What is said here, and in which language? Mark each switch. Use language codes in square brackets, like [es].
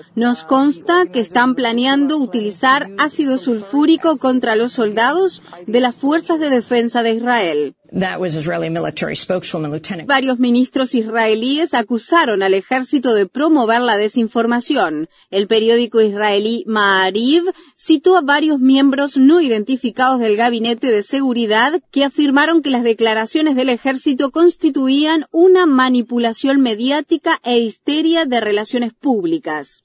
[es] Nos consta que están planeando utilizar ácido sulfúrico contra los soldados de las Fuerzas de Defensa de Israel. [en] That was Israeli military spokeswoman, Lieutenant. [es] Varios ministros israelíes acusaron al ejército de promover la desinformación. El periódico israelí Ma'ariv citó a varios miembros no identificados del gabinete de seguridad que afirmaron que las declaraciones del ejército constituían una manipulación mediática e histeria de relaciones públicas.